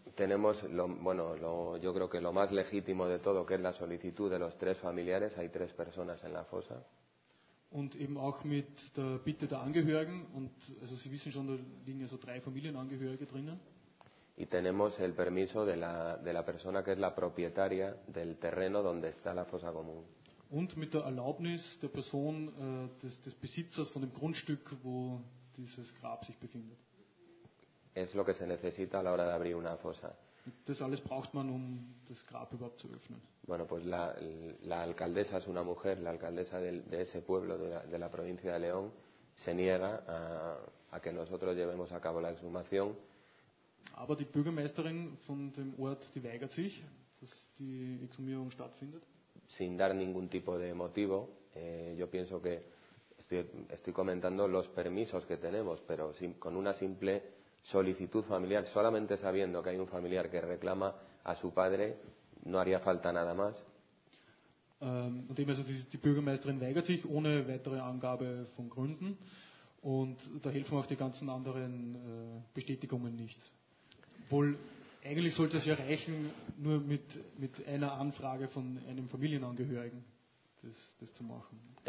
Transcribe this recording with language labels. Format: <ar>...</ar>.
<es>Tenemos yo creo que lo más legítimo de todo, que es la solicitud de los 3 familiares, hay 3 personas en la fosa.</es> <de>Und eben auch mit der Bitte der Angehörigen und also Sie wissen schon, da liegen also 3 Familienangehörige drinnen.</de> <es>Y tenemos el permiso de la persona que es la propietaria del terreno donde está la fosa común.</es> <de>Und mit der Erlaubnis der Person des Besitzers von dem Grundstück, wo dieses Grab sich befindet.</de> <es>Es lo que se necesita a la hora de abrir una fosa.</es> <de>Das alles braucht man, um das Grab überhaupt zu öffnen.</de> <es>Bueno, pues la alcaldesa es una mujer, la alcaldesa de ese pueblo, de la provincia de León, se niega a que nosotros llevemos a cabo la exhumación.</es> <de>Aber die Bürgermeisterin von dem Ort, die weigert sich, dass die Exhumierung stattfindet.</de> <es>Sin dar ningún tipo de motivo, yo pienso que estoy comentando los permisos que tenemos, pero con una simple solicitud familiar, solamente sabiendo que hay un familiar que reclama a su padre, no haría falta nada más.</es> <de>Und eben also die Bürgermeisterin weigert sich ohne weitere Angabe von Gründen und da helfen auch die ganzen anderen Bestätigungen nichts. Obwohl eigentlich sollte es ja reichen, nur mit einer Anfrage von einem Familienangehörigen das zu machen.</de>